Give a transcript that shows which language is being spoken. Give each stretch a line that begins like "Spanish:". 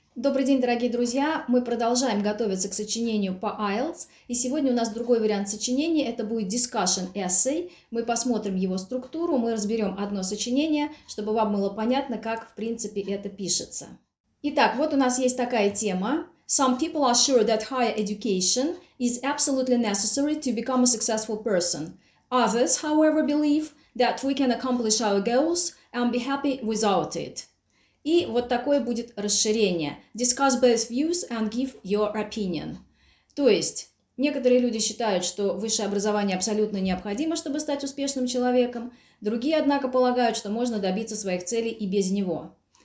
Russian: Добрый день, дорогие друзья! Мы продолжаем готовиться к сочинению по IELTS. И сегодня у нас другой вариант сочинения. Это будет Discussion Essay. Мы посмотрим его структуру, мы разберем одно сочинение, чтобы вам было понятно, как в принципе это пишется. Итак, вот у нас есть такая тема.
English: Some people are sure that higher education is absolutely necessary to become a successful person. Others, however, believe that we can accomplish our goals and be happy without it.
Russian: И вот такое будет расширение.
English: Discuss both views and give your opinion.
Russian: То есть, некоторые люди считают, что высшее образование абсолютно необходимо, чтобы стать успешным человеком. Другие, однако, полагают, что можно добиться своих целей и без него.